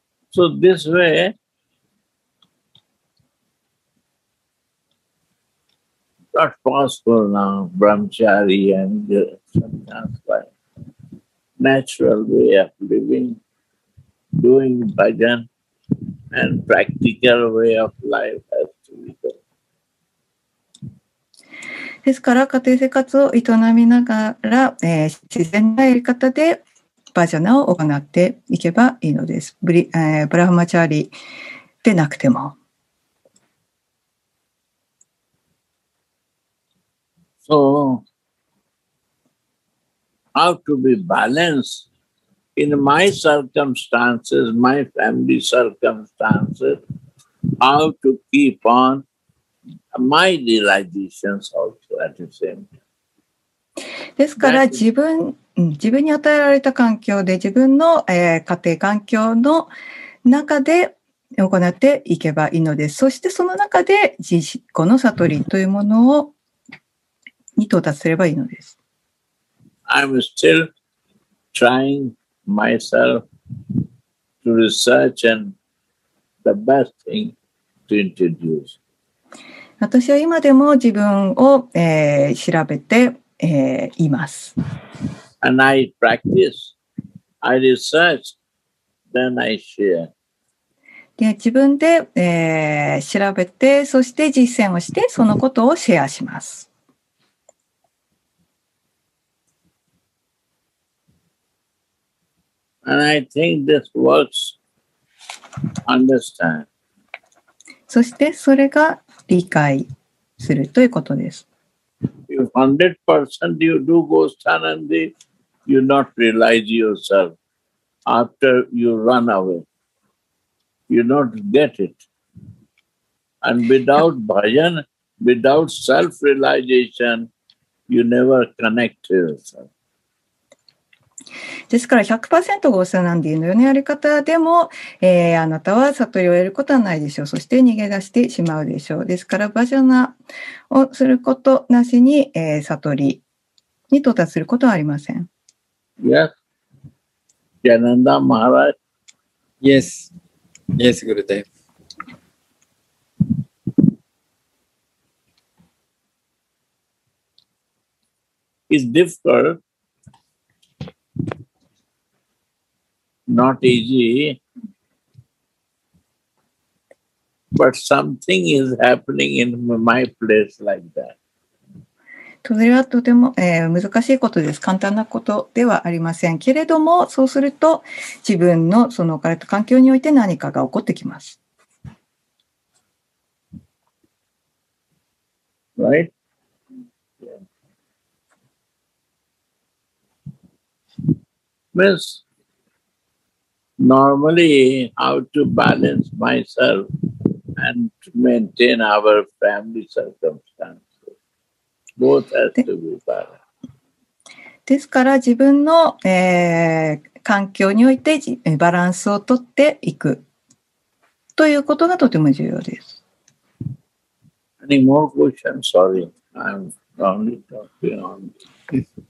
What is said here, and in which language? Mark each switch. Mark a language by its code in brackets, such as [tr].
[en] So this way, not possible now, brahmachari and sannyasi, natural way of living, doing bhajan and practical way of life has to be done. [ja] ですから家庭生活を営みながら、自然なやり方でバジャナを行っていけばいいのです。ブラハマチャーリーでなくても。 [en] So, how to be balanced in my circumstances, my family circumstances, how to keep on my realizations also at the same time. [ja] ですから自分に与えられた環境で自分の、家庭環境の中で行っていけばいいのです。そしてその中で自己の悟りというものをに到達すればいいのです。 [en] I'm still trying myself to research and the best thing to introduce. [ja] 私は今でも自分を、調べて、います。 [en] And I practice, I research, then I share. [ja] で、自分で、調べて、そして実践をして、そのことをシェアします。 [en] And I think this works. Understand. [ja] そしてそれが理解するということです。 [en] You 100% you do Gosthanandi, you not realize yourself after you run away. You not get it. And without bhajan, without self-realization, you never connect to yourself. [ja] ですから 100% ゴーサナンディのようなやり方でも、あなたは悟りを得ることはないでしょう。そして逃げ出してしまうでしょう。ですからバジャナをすることなしに、悟りに到達することはありません。 [en] Yes Jananda Maharaj Yes Yes Gurudev It's difficultNot easy, but something is happening in my place like that. [ja] それはとても、難しいことです。簡単なことではありません。けれども、そうすると自分のその置かれた環境において何かが起こってきます。 [en] Right? Normally, how to balance myself and maintain our family circumstances. Both has to be balanced. [ja] ですから自分の、環境においてバランスをとっていくということがとても重要です。 [en] Any more questions? Sorry, I'm only talking on this.